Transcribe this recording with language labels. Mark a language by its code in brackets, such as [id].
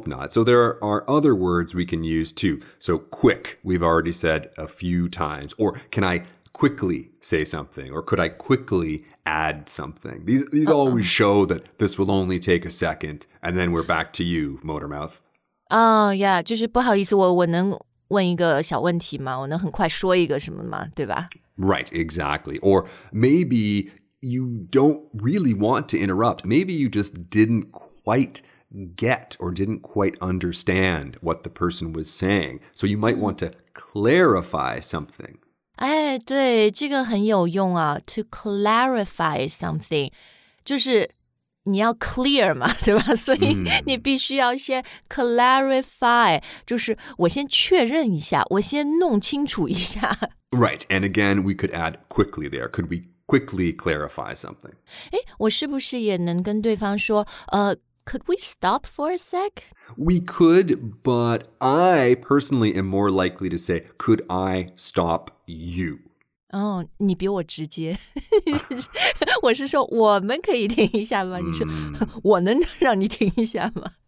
[en] So there are other words we can use too. So quick, we've already said a few times. Or can I... quickly say something, or could I quickly add something? These always show that this will only take a second, and then we're back to you, Motor Mouth. [zh] Oh, yeah, 就是不好意思，我能问一个小问题吗？我能很快说一个什么吗？对吧？ [en] Right, exactly. Or maybe you don't really want to interrupt. Maybe you just didn't quite get or didn't quite understand what the person was saying. So you might want to clarify something. [zh] 哎对这个很有用啊 [en] to clarify something, [zh] 就是你要 clear 嘛对吧所以你必须要先 clarify, 就是我先确认一下我先弄清楚一下。 [en] Right, and again, we could add quickly there. Could we quickly clarify something? [zh] 哎我是不是也能跟对方说 [en] could we stop for a sec? We could, but I personally am more likely to say, could I stop you? [zh] Oh, 你比我直接。我是说我们可以停一下吗?你说我能让你停一下吗?